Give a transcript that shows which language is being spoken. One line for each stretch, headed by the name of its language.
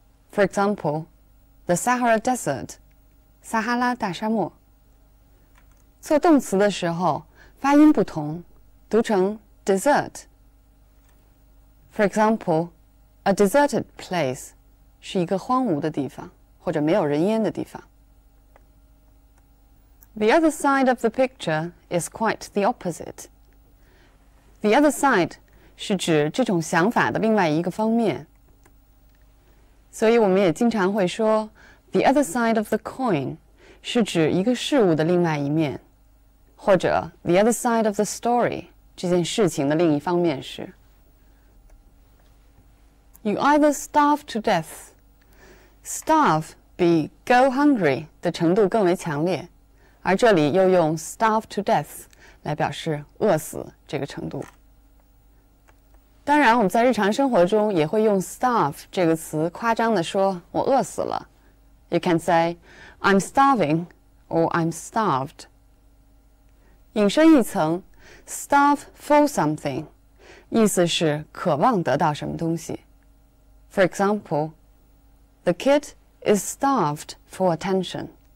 English: For example, the Sahara Desert, 撒哈拉大沙漠。
Chinese: 做动词的时候发音不同，读成 desert.
English: For example, a deserted place,
Chinese: 是一个荒芜的地方，或者没有人烟的地方。
English: The other side of the picture is quite the opposite. The other side
Chinese: 是指这种想法的另外一个方面。所以我们也经常会说 ,
English: the other side of the coin
Chinese: 是指一个事物的另外一面。或者 ,
English: the other side of the story,
Chinese: 这件事情的另一方面是。
English: You either starve to death. Starve
Chinese: 比
English: go hungry
Chinese: 的程度更为强烈。而这里又用
English: starve to death
Chinese: 来表示饿死这个程度。当然我们在日常生活中也会用 starve 这个词夸张地说我饿死了。
English: You can say, I'm starving or I'm starved.
Chinese: 引申一层
English: starve for something,
Chinese: 意思是渴望得到什么东西。
English: For example, the kid is starved for attention.